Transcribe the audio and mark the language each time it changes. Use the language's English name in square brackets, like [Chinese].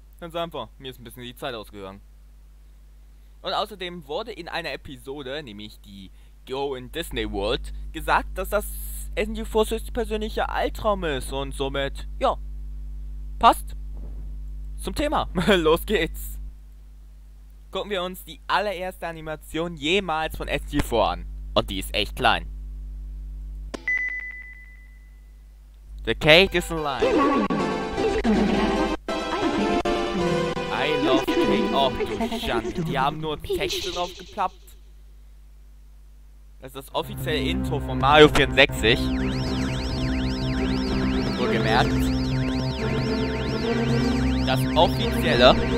[German] Ganz einfach, mir ist ein bisschen die Zeit ausgegangen. Und außerdem wurde in einer Episode, nämlich die Go in Disney World, gesagt, dass das SMG4's höchstpersönlicher Albtraum ist und somit, ja, passt zum Thema. Los geht's. Gucken wir uns die allererste Animation jemals von SMG4 an. Und die ist echt klein. [English] The cake is alive. I love cake. [German] Oh, du Schande. Die haben nur Texte drauf geplappt. Das ist das offizielle Intro von Mario 64. Wohlgemerkt. Das offizielle.